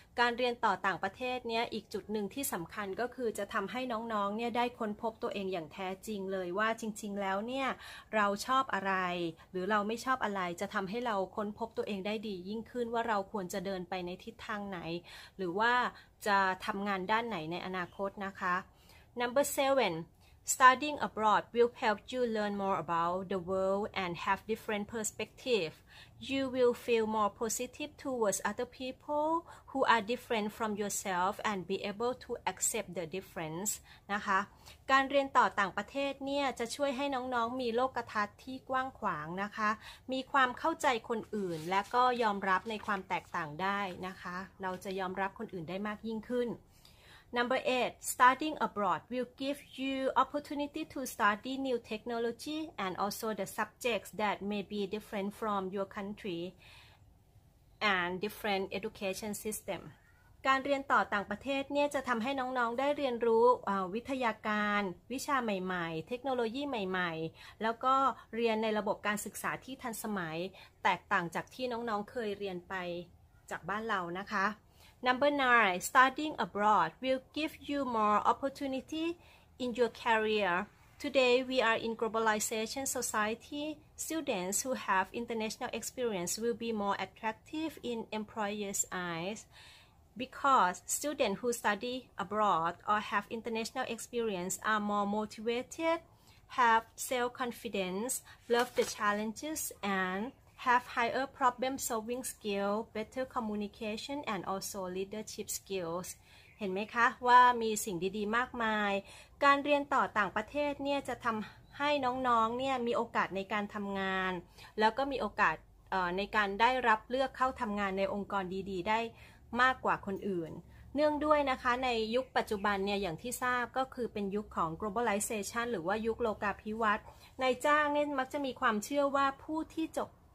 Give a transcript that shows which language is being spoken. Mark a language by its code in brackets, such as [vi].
[th] การเรียนต่อต่างประเทศเนี่ยอีกจุดหนึ่งที่สำคัญก็คือจะทำให้น้องๆเนี่ยได้ค้นพบตัวเองอย่างแท้จริงเลยว่าจริงๆแล้วเนี่ยเราชอบอะไรหรือเราไม่ชอบอะไรจะทำให้เราค้นพบตัวเองได้ดียิ่งขึ้นว่าเราควรจะเดินไปในทิศทางไหนหรือว่าจะทำงานด้านไหนในอนาคตนะคะ [en] Number 7Studying abroad will help you learn more about the world and have different perspective. You will feel more positive towards other people who are different from yourself and be able to accept the difference. [th] นะคะ การเรียนต่อต่างประเทศเนี่ยจะช่วยให้น้องๆมีโลกทัศน์ที่กว้างขวางนะคะมีความเข้าใจคนอื่นและก็ยอมรับในความแตกต่างได้นะคะเราจะยอมรับคนอื่นได้มากยิ่งขึ้น [en] Number 8, studying abroad will give you opportunity to study new technology and also the subjects that may be different from your country and different education system. [th] การเรียนต่อต่างประเทศเนี่ยจะทำให้น้องๆได้เรียนรู้วิทยาการวิชาใหม่ๆเทคโนโลยีใหม่ๆแล้วก็เรียนในระบบการศึกษาที่ทันสมัยแตกต่างจากที่น้องๆเคยเรียนไปจากบ้านเรานะคะ [en] Number 9, studying abroad will give you more opportunity in your career. Today, we are in globalization society. Students who have international experience will be more attractive in employers' eyes because students who study abroad or have international experience are more motivated, have self-confidence, love the challenges, andhave higher problem solving skill, better communication and also leadership skills. [th] เห็นไหมคะว่ามีสิ่งดีๆมากมายการเรียนต่อต่างประเทศเนี่ยจะทำให้น้องๆเนี่ยมีโอกาสในการทำงานแล้วก็มีโอกาสในการได้รับเลือกเข้าทำงานในองค์กรดีๆได้มากกว่าคนอื่นเนื่องด้วยนะคะในยุคปัจจุบันเนี่ยอย่างที่ทราบก็คือเป็นยุคของ globalization หรือว่ายุคโลกาภิวัตน์นายจ้างเนี่ยมักจะมีความเชื่อว่าผู้ที่จบ